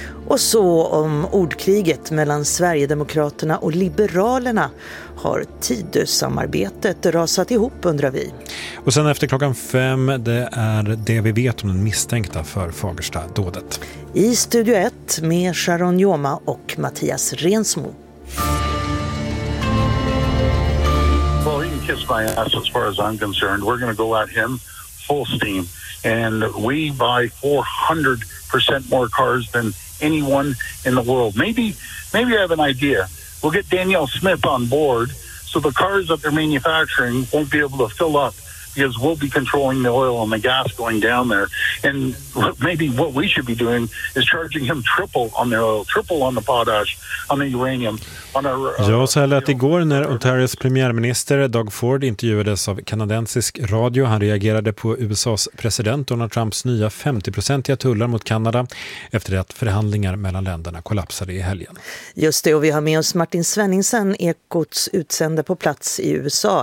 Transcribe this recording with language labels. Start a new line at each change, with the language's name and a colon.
Swedish: Och så om ordkriget mellan Sverigedemokraterna och Liberalerna. Har Tidösamarbetet rasat ihop, undrar vi. Och sen efter klockan 5, det är det vi vet om den misstänkta för Fagersta-dådet. I Studio 1 med Sharon Joma och Mattias Rensmo.
English: Well, you kiss my ass as far as I'm concerned. We're going to go at him full steam. And we buy 400% more cars than anyone in the world. Maybe I have an idea. We'll get Danielle Smith on board so the cars that they're manufacturing won't be able to fill up because we'll be controlling the oil and the gas going down there. And maybe what we should be doing is charging him triple on the oil, triple on the potash, on the uranium.
Swedish: Ja, så här lät igår när Ontarios premiärminister Doug Ford intervjuades av kanadensisk radio. Han reagerade på USAs president Donald Trumps nya 50-procentiga tullar mot Kanada efter att förhandlingar mellan länderna kollapsade i helgen. Just det, och vi har med oss Martin Svenningsen, Ekots utsände på plats i USA.